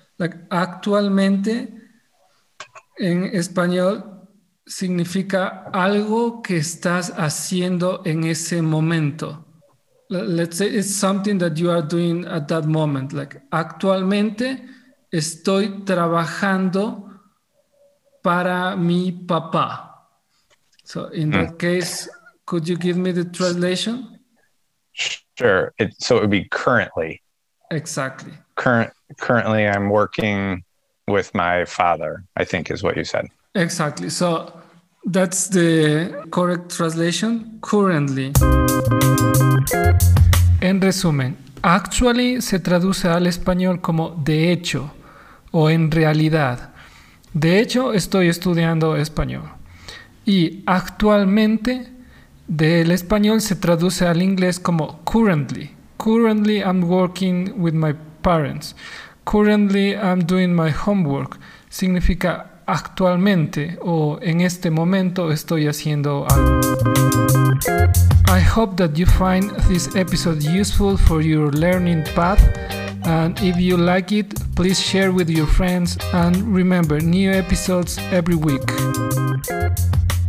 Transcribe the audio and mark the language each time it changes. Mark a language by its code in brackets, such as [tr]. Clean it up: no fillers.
[es] Like actualmente, en español, significa algo que estás haciendo en ese momento. [en] Let's say it's something that you are doing at that moment. [es] Like, actualmente estoy trabajando para mi papá. [en] So in that case, could you give me the translation? Sure. So it would be currently. Exactly. Currently, I'm working with my father, I think is what you said. Exactly. So that's the correct translation, currently. [es] En resumen, actually se traduce al español como de hecho o en realidad. De hecho, estoy estudiando español. Y actualmente, del español se traduce al inglés como currently. [en] Currently, I'm working with my parents. Currently, I'm doing my homework. [es] Significa actualmente o en este momento estoy haciendo algo. [en] I hope that you find this episode useful for your learning path. And if you like it, please share with your friends. And remember, new episodes every week.